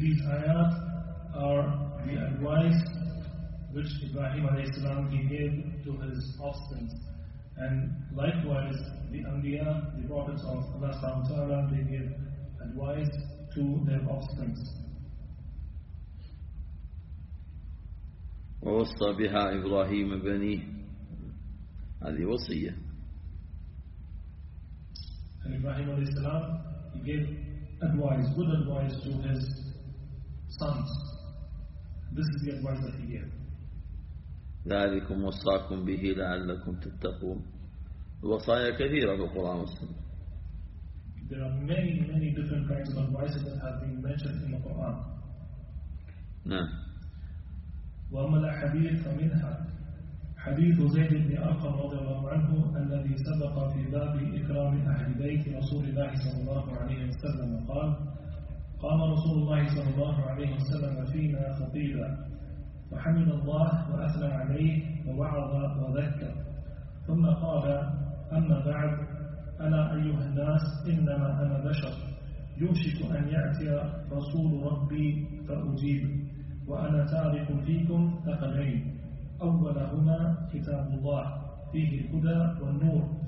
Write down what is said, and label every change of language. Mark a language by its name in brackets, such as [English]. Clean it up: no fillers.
[English] These ayat are the advice which Ibrahim alayhi salam gave to his offspring, and likewise the Anbiya, the prophets of Allah subhanahu wa ta'ala, they gave advice to their offspring. [Arabic] ووصى بها إبراهيم بنيه هذه وصية. [English] And Ibrahim alayhi salam, he gave advice, good advice to his sons. This is the advice that he gave. [Arabic] ذلكم وصاكم به لعلكم تتقون. الوصايا كثيرة في القرآن والسنة. [English] There are many, many different kinds of advices that have been mentioned in the Quran. [Arabic] نعم. وأما الأحاديث فمنها حديث زيد بن أرقم رضي الله عنه الذي سبق في باب إكرام أهل بيت رسول الله صلى الله عليه وسلم قال قام رسول الله صلى الله عليه وسلم فينا خطيبا فحمد الله وأثنى عليه ووعظ وذكر ثم قال أما بعد أنا أيها الناس إنما أنا بشر يوشك أن يأتي رسول ربي فأجيب وأنا تارك فيكم ثقلين أولهما كتاب الله فيه الهدى والنور